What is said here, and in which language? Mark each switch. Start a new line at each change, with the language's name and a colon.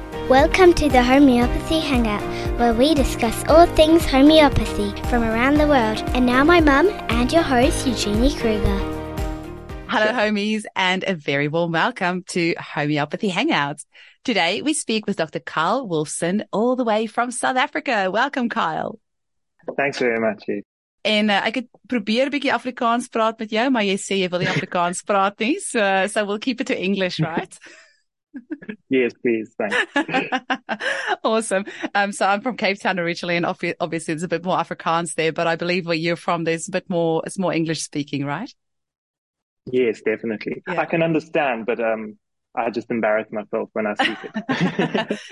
English: Welcome to the Homeopathy Hangout, where we discuss all things homeopathy from around the world. And now my mum and your host, Eugenie Kruger. Hello, homies, and a very warm welcome to Homeopathy Hangouts. Today, we speak with Dr. Kyle Wolfson, all the way from South Africa. Welcome, Kyle. Thanks very much, Eugenie.
Afrikaans: En ek het probeer 'n bietjie Afrikaans praat met jou, maar jy sê jy wil nie Afrikaans praat nie,
English: so we'll keep it to English, right? Yes, please. Thanks. Awesome. So I'm from Cape Town originally, and obviously there's a bit more Afrikaans there, but I believe where you're from, it's more English speaking, right? Yes, definitely. Yeah. I can understand, but I just embarrass myself when I speak it.